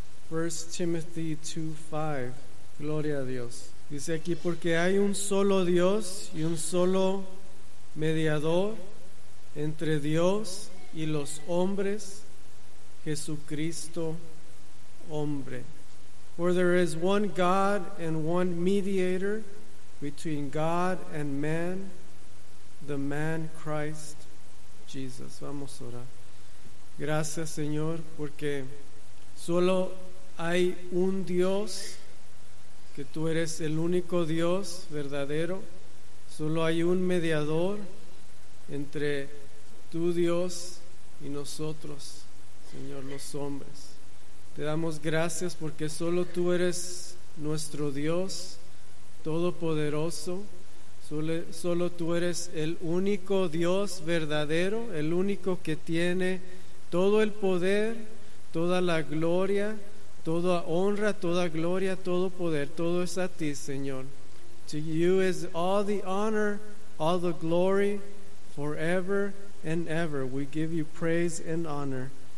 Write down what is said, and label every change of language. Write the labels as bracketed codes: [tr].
[es] 1 Timothy 2:5. Gloria a Dios. Dice aquí: porque hay un solo Dios y un solo mediador entre Dios y los hombres, Jesucristo hombre. [en] For there is one God and one mediator between God and man, the man Christ Jesus. [es] Vamos a orar. Gracias, Señor, porque solo hay un Dios, que tú eres el único Dios verdadero. Solo hay un mediador entre tu Dios y nosotros, Señor, los hombres. Te damos gracias porque solo tú eres nuestro Dios todopoderoso. Solo tú eres el único Dios verdadero, el único que tiene todo el poder, toda la gloria, toda honra, toda gloria, todo poder. Todo es a ti, Señor. [en] To you is all the honor, all the glory, forever and ever. We give you praise and honor.